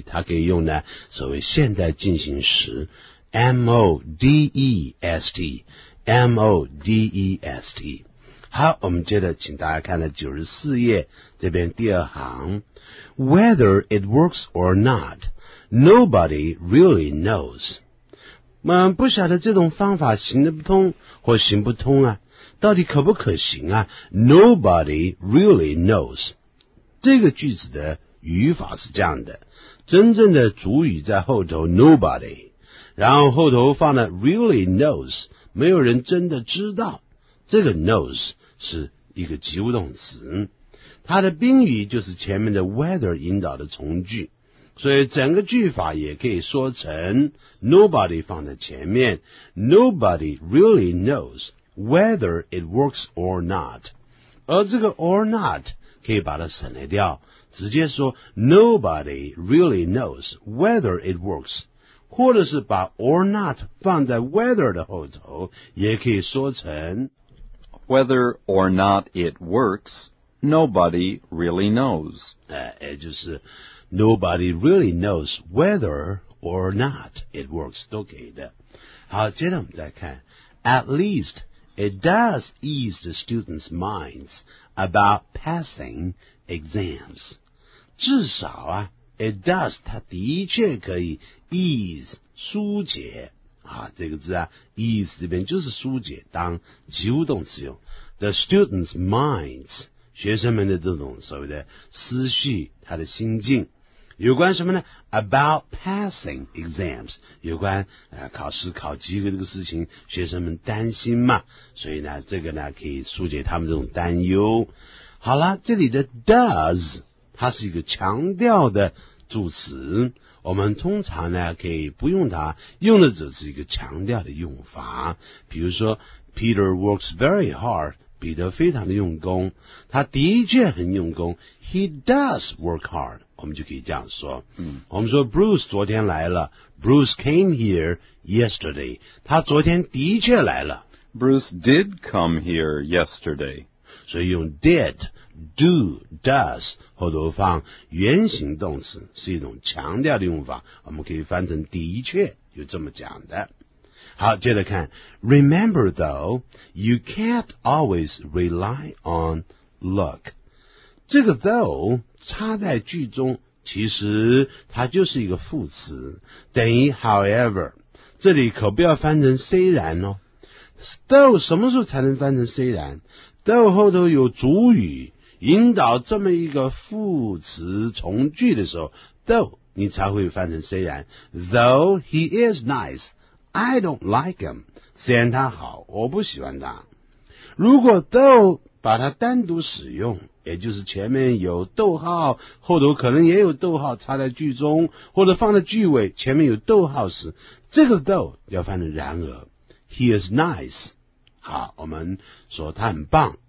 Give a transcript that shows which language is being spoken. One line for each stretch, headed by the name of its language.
Chinese: 他可以用呢，所谓现代进行时 ,modest, modest。好，我们接着请大家看到94页这边第二行。
English: Whether it works or not, nobody really knows.
Chinese: 不晓得这种方法行得不通或行不通啊，到底可不可行啊？
English: Nobody really knows.
Chinese: 这个句子的语法是这样的，真正的主语在后头 nobody, 然后后头放了 really knows, 没有人真的知道。这个 knows 是一个及物动词，它的宾语就是前面的 whether 引导的从句，所以整个句法也可以说成 nobody 放在前面，
English: nobody really knows whether it works or not,
Chinese: 而这个 or not 可以把它省略掉，直接说
English: nobody really knows whether it works,
Chinese: 或者是把 or not 放在 whether 的后头，也可以说成
English: whether or not it works, nobody really knows.
Chinese: 也就是
English: nobody really knows whether or not it works,
Chinese: 都可以的。好，接着我们再看
English: at least it does ease the students' minds about passing exams.
Chinese: 至少啊 it does, 它的确可以ease 疏解啊，这个字啊 ease 这边就是疏解，当及物动词用。
English: The students' minds
Chinese: 学生们的这种所谓的思绪，他的心境，有关什么呢？
English: About passing exams,
Chinese: 有关考试考及格这个事情，学生们担心嘛，所以呢这个呢可以疏解他们这种担忧。好啦，这里的 does 它是一个强调的助词，我们通常呢可以不用它，用的只是一个强调的用法。比如说
English: Peter works very hard,
Chinese: 彼得非常的用功，他的确很用功，
English: He does work hard,
Chinese: 我们就可以这样说。我们说 Bruce 昨天来了，
English: Bruce came here yesterday,
Chinese: 他昨天的确来了，
English: Bruce did come here yesterday,
Chinese: 所以用 did,do, does, 后头放原形动词，是一种强调的用法，我们可以翻成的确有这么讲的。好，接着看
English: Remember though, you can't always rely on luck.
Chinese: 这个 though 插在句中，其实它就是一个副词，等于 however, 这里可不要翻成虽然哦。 though 什么时候才能翻成虽然？though 后头有主语引导这么一个副词从句的时候， though 你才会翻成虽然。
English: Though he is nice, I don't like him.
Chinese: 虽然他好，我不喜欢他。如果 though 把它单独使用，也就是前面有逗号，后头可能也有逗号插在句中，或者放在句尾前面有逗号时，这个 though 要翻成然而。
English: He is nice,
Chinese: 好，我们说他很棒，